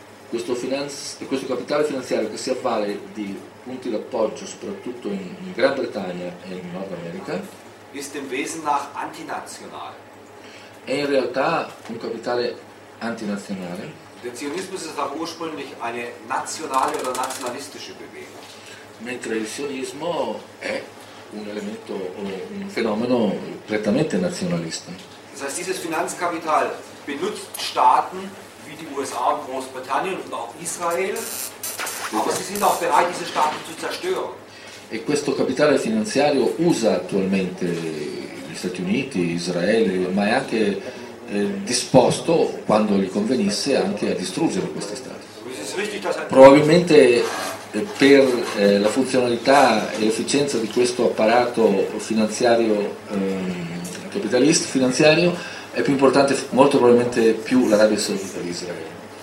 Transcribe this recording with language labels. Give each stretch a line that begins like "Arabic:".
Italian: Questo capitale finanziario che si avvale di punti d'appoggio soprattutto in Gran Bretagna e in Nord America
German: ist im Wesen nach antinational.
Italian: È in realtà un capitale antinazionale.
German: Der Zionismus ist auch ursprünglich eine nazionale oder nationalistische Bewegung.
Italian: Mentre il sionismo è un elemento, un fenomeno prettamente nazionalista.
German: Das heißt, dieses Finanzkapital benutzt Staaten wie die USA und Großbritannien und auch Israel, aber sie sind auch bereit, diese Staaten zu zerstören.
Italian: E questo capitale finanziario usa attualmente gli Stati Uniti, Israele, ma è anche disposto, quando gli convenisse, anche a distruggere questi Stati. Probabilmente per la funzionalità e l'efficienza di questo apparato finanziario, capitalista finanziario, è più importante, molto probabilmente, più l'Arabia Saudita di Israele.